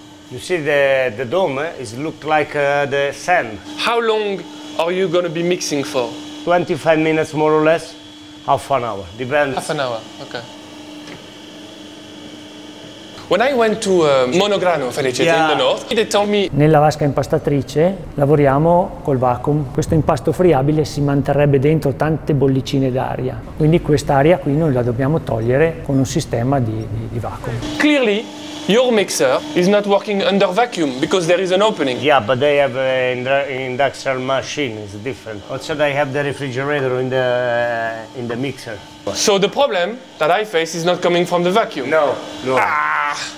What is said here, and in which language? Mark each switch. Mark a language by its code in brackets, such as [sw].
[en] You see the dome is look like the sand. How long are you gonna be mixing for? 25 minutes more or less, half an hour, depends. Half an hour, okay. When I went to Monograno, Felice, in the north, they told me... [it] Nella vasca impastatrice lavoriamo col vacuum. Questo impasto friabile si manterrebbe dentro tante bollicine d'aria. Quindi quest'aria qui noi la dobbiamo togliere con un sistema di vacuum. [en] Clearly, your mixer is not working under vacuum because there is an opening. Yeah, but they have an industrial machine. It's different. Also, they have the refrigerator in the mixer. So the problem that I face is not coming from the vacuum. No, no. Ah,